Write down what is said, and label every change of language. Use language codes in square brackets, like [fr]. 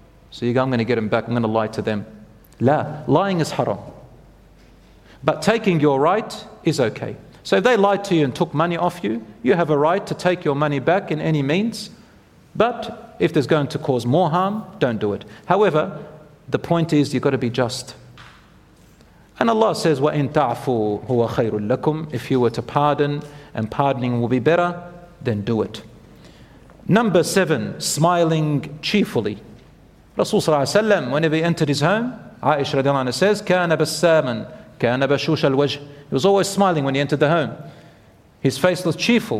[en] So you go, I'm going to get them back. I'm going to lie to them. La, lying is haram. But taking your right is okay. So if they lied to you and took money off you, you have a right to take your money back in any means. But if there's going to cause more harm, don't do it. However, the point is you've got to be just. And Allah says, [ar] وَإِن تَعْفُوا هُوَ خَيْرٌ لَكُمْ. [en] If you were to pardon, and pardoning will be better, then do it. Number seven, smiling cheerfully. Rasulullah ﷺ, whenever he entered his home, Aisha radiallahu anha says, [ar] كَانَ بَسَّامًا كَانَ بَشُوشَ الْوَجْهِ. [en] He was always smiling when he entered the home. His face was cheerful.